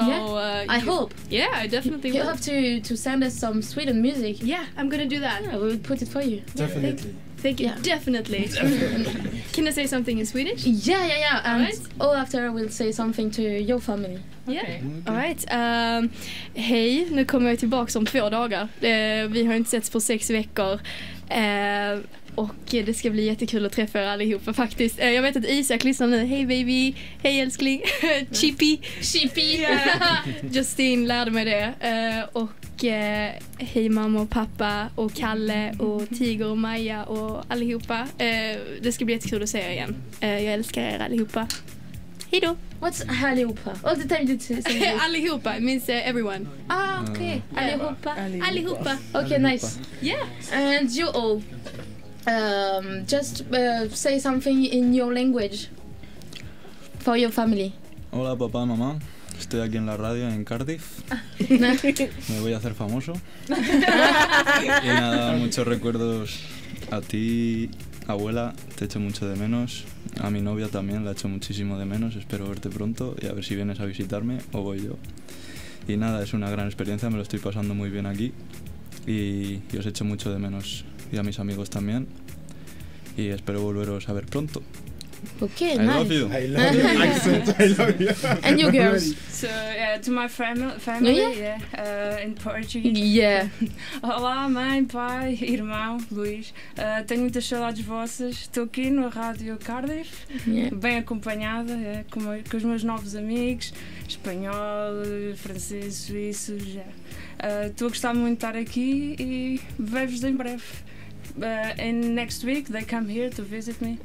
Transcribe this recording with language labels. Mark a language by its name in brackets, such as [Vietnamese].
[English] I hope. Yeah, I definitely. You have to send us some Sweden music. Yeah, I'm gonna do that. Yeah, we'll put it for you. Definitely. Thank you. Yeah. Definitely. Can I say something in Swedish? Yeah. And after I will say something to your family. Yeah. Okay. All right. [Swedish] Hej, nu kommer jag tillbaka om 2 dagar. Vi har inte setts på 6 veckor. Och det ska bli jättekul att träffa er allihopa faktiskt. Jag vet att Isak lyssnar nu. Hej baby. Hej älskling. Chippy. Chippy. Justine lärde mig det. Och hej mamma och pappa och Kalle och Tiger och Maja och allihopa. Det ska bli jättekul att se er igen. Jag älskar er allihopa. Hej då. [English] What's allihopa? All the time you say this. Allihopa means everyone. Ah, oh, okay. Yeah. [Swedish] Allihopa. [English] Allihopa. Okay, allihopa. Nice. Yeah. And you all, just say something in your language for your family. [Spanish] Hola, papá, mamá. Estoy aquí en la radio en Cardiff. Me voy a hacer famoso. Y nada, muchos recuerdos a ti Abuela, te echo mucho de menos. A mi novia también la echo muchísimo de menos. Espero verte pronto y a ver si vienes a visitarme o voy yo. Y nada, es una gran experiencia, me lo estoy pasando muy bien aquí. Y os echo mucho de menos. Y a mis amigos también. Y espero volveros a ver pronto. [English] Okay, I nice. Love you. I love you. Accent, I love you. And you girls. So, to my family, in Portuguese. Yeah. [Portuguese] Olá, mãe, pai, irmão, Luís. Tenho muitas saudades vossas. Estou aqui no Rádio Cardiff, bem acompanhada, com os meus novos amigos, espanhóis, franceses, suíços. Estou a gostar muito de estar aqui e vejo-vos em breve. [English] And next week they come here to visit me.